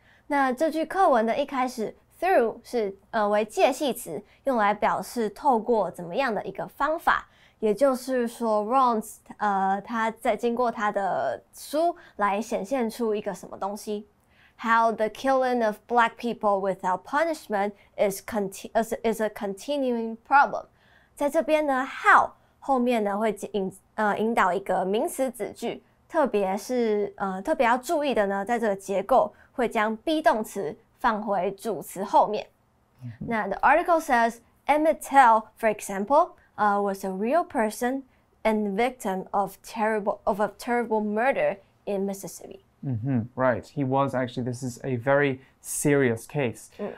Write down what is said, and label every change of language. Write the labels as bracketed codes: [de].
[zh] 那这句课文的一开始。Through 是为介系词，用来表示透过怎么样的一个方法，也就是说 ，Rhodes 他在经过他的书来显现出一个什么东西。 [en] How the killing of black people without punishment is a continuing problem。 [zh] 在这边呢 ，how 后面呢会引导一个名词子句，特别是特别要注意的呢，在这个结构会将 be 动词。放回主词后面。 [en] 那 the article says Emmett Till, for example, was a real person and victim of a terrible murder in Mississippi. Mm-hmm, right, he was actually, this is a very serious case.